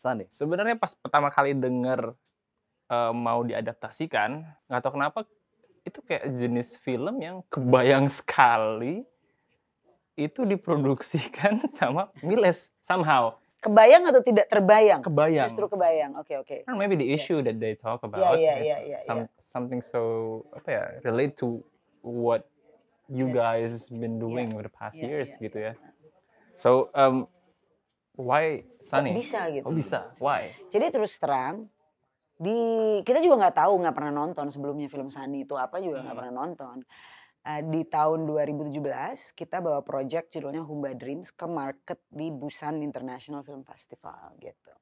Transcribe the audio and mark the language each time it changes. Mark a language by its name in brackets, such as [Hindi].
[Indonesian] Sebenarnya pas pertama kali dengar mau diadaptasikan, nggak tahu kenapa. Itu kayak jenis film yang kebayang sekali itu diproduksikan sama Miles [English] somehow. [Indonesian] Kebayang atau tidak terbayang? Kebayang. Justru kebayang. Okay. [English] Maybe the issue that they talk about something so [Indonesian] apa ya, [English] relate to what you guys been doing over the past years [Indonesian] gitu ya. [English] So why Sunny? [Indonesian] Kok bisa gitu. Oh, bisa. [English] Why? [Indonesian] Jadi terus terang kita juga nggak tahu, nggak pernah nonton sebelumnya film Sunny itu apa, juga nggak pernah nonton. Di tahun 2017 kita bawa project judulnya Humba Dreams ke market di Busan International Film Festival gitu.